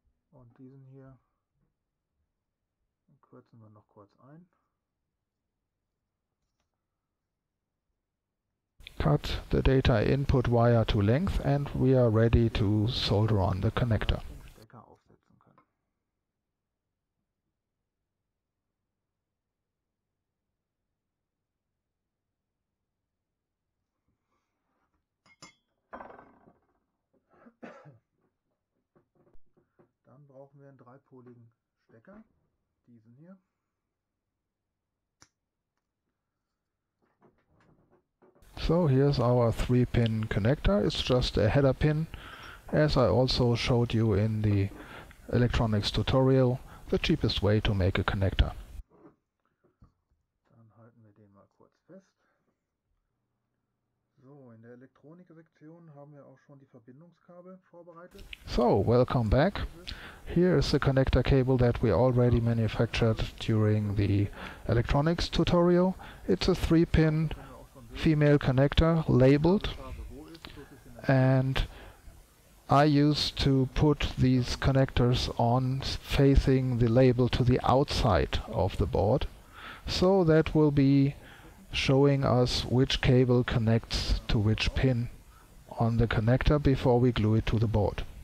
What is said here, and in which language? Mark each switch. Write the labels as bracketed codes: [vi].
[de] Und diesen hier kürzen wir noch kurz ein. [en] Cut the data input wire to length and we are ready to solder on the connector. [de] Dann brauchen wir einen dreipoligen Stecker, diesen hier. [en] So here's our 3-pin connector. It's just a header pin. As I also showed you in the electronics tutorial, the cheapest way to make a connector. [de] Dann halten wir den mal kurz fest. So, in der Elektronik-Sektion haben wir auch schon die Verbindungskabel vorbereitet. [en] So, welcome back. Here is the connector cable that we already manufactured during the electronics tutorial. It's a 3-pin female connector labeled, and I used to put these connectors on facing the label to the outside of the board, so that will be showing us which cable connects to which pin on the connector before we glue it to the board.